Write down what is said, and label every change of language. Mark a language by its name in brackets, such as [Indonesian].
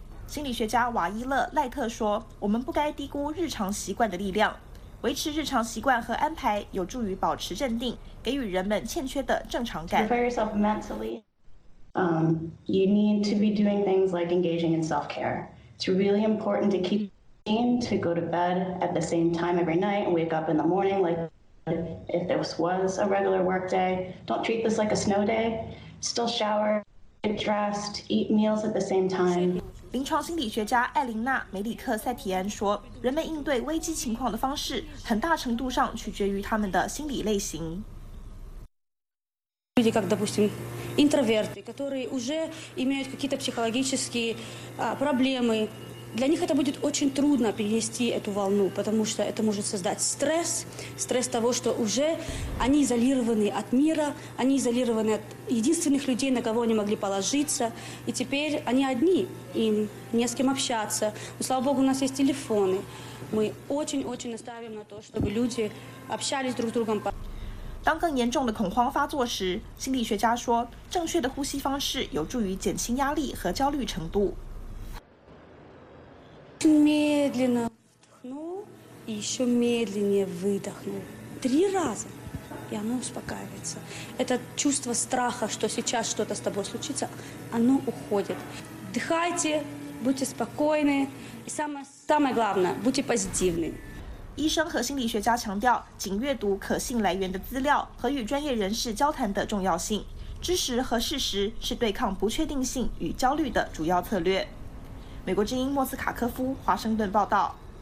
[Chinese] 心理学家瓦伊勒·赖特说，我们不该低估日常习惯的力量。维持日常习惯和安排有助于保持镇定，给予人们欠缺的正常感。 [English] Prepare yourself mentally. You need to be doing things like engaging in self-care. It's really important to keep... to go to bed at the same time every night and wake up in the morning like if this was a regular work day. Don't treat this like a snow day. Still shower, get dressed, eat meals at the same time. [Chinese] 临床心理学家艾琳娜·梅里克·塞提安说，人们应对危机情况的方式很大程度上取决于他们的心理类型。 [Russian] Люди, как, допустим, интроверты, которые уже имеют какие-то психологические проблемы,Для них это будет очень трудно перенести эту волну, потому что это может создать стресс, стресс того, что уже они изолированы от мира, они изолированы от единственных людей, на кого они могли положиться, и теперь они одни, им не с кем общаться. Но, слава богу, у нас есть телефоны. Мы очень-очень настаиваем на то, чтобы люди общались друг с другом. [Chinese] 当更严重的恐慌发作时，心理学家说，正确的呼吸方式有助于减轻压力和焦虑程度。 [Russian] Медленно вдохну и еще медленнее выдохну. 3 раза, и оно успокаивается. Это чувство страха, что сейчас что-то с тобой случится, оно уходит. Дыхайте, будьте спокойны. И самое главное, будьте позитивны. [Chinese] 医生和心理学家强调，仅阅读可信来源的资料和与专业人士交谈的重要性。知识和事实是对抗不确定性与焦虑的主要策略。美国之音莫斯卡科夫华盛顿报道。